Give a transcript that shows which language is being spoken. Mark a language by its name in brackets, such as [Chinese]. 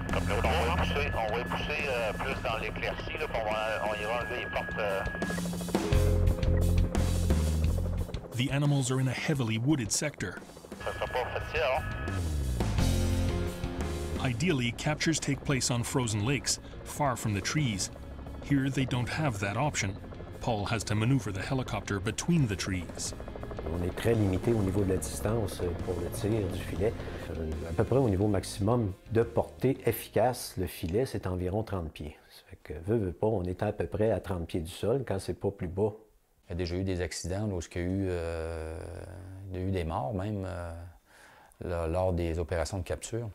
[French] Comme là, on va pousser plus dans l'éclaircie, là, on ira enlever les portes. [English] The animals are in a heavily wooded sector. [French] Ça sera pas facile, hein? [English] Ideally, captures take place on frozen lakes, far from the trees. Here, they don't have that option. Paul has to maneuver the helicopter between the trees. [French] On est très limité au niveau de la distance pour le tir du filet. À peu près au niveau maximum de portée efficace, le filet, c'est environ 30 pieds. Ça fait que, veux, veux pas, on est à peu près à 30 pieds du sol quand c'est pas plus bas. Il y a déjà eu des accidents lorsqu'il y a eu des morts, même, lors des opérations de capture.